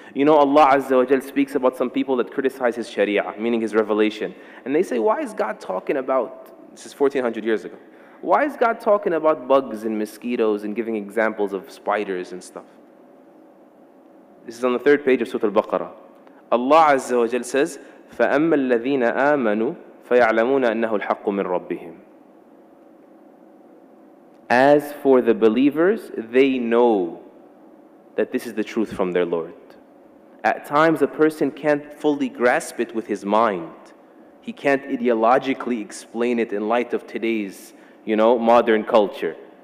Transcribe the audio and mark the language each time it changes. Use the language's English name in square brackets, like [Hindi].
[English] You know, Allah Azza wa Jal speaks about some people that criticize His Sharia, meaning His revelation. And they say, why is God talking about, this is 1400 years ago, why is God talking about bugs and mosquitoes and giving examples of spiders and stuff? This is on the third page of Surah Al-Baqarah. Allah Azza wa Jal says, [Arabic] فَأَمَّا الَّذِينَ آمَنُوا فَيَعْلَمُونَ أَنَّهُ الْحَقُّ مِنْ رَبِّهِمْ. [English] As for the believers, they know that this is the truth from their Lord. At times, a person can't fully grasp it with his mind. He can't ideologically explain it in light of today's, you know, modern culture.